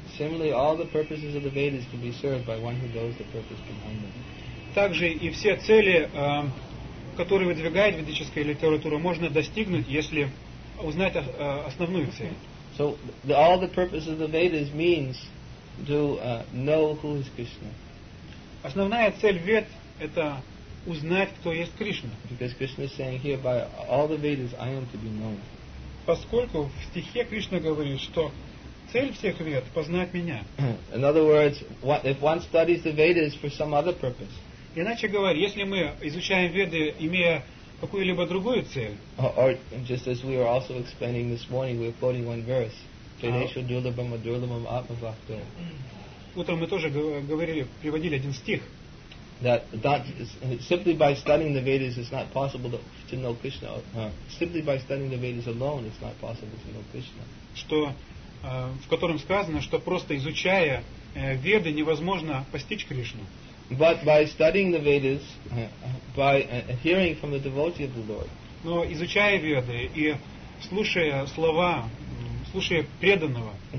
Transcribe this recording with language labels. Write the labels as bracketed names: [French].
[English] Similarly, all the purposes of the Vedas can be served by one who knows the purpose behind them. [Russian] Также и все цели, которые выдвигает ведическая литература, можно достигнуть, если узнать основную цель. [English] So all the purposes of the Vedas means to know who is Krishna. [Russian] Основная цель Вед – это узнать, кто есть Кришна. [English] Because Krishna is saying here, by all the Vedas, I am to be known. [Russian] Поскольку в стихе Кришна говорит, что цель всех вед познать меня. [English] In other words, if one studies the Vedas for some other purpose. [Russian] Иначе говоря, если мы изучаем веды, имея какую-либо другую цель. [English] Or just as we were also explaining this morning, we're quoting one verse. [Sanskrit] Vedesha durlabham adurlabham atmavaktum. [Russian] Утром мы тоже говорили, приводили один стих. [English] That simply by studying the Vedas it's not possible to know Krishna. Simply by studying the Vedas alone it's not possible to know Krishna. [Russian] Что в котором сказано, что просто изучая веды невозможно постичь Кришну. [English] But by studying the Vedas, by hearing from the devotee of the Lord. [Russian] Но изучая веды и слушая слова, слушая преданного.